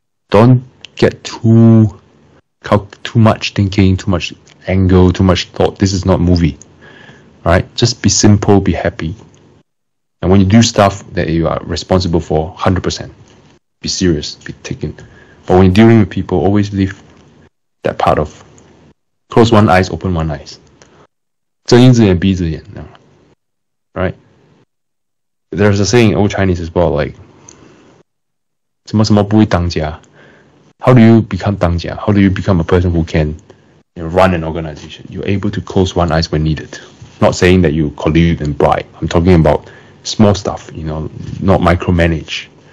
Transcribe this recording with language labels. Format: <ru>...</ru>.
<en>Don't get too much thinking, too much angle, too much thought. This is not a movie. Right, just be simple, be happy, and when you do stuff that you are responsible for, 100%, be serious, be taken. But when you're dealing with people, always leave that part of close one eyes, open one eyes.</en> <zh>睁一只眼闭一只眼,</zh> <en>right? There's a saying in old Chinese as well, like</en> <zh>什么什么不会当家.</zh> <en>How do you become 当家? How do you become a person who can, you know, run an organization? You're able to close one eyes when needed. Not saying that you collude and bribe. I'm talking about small stuff, you know, not micromanage.</en>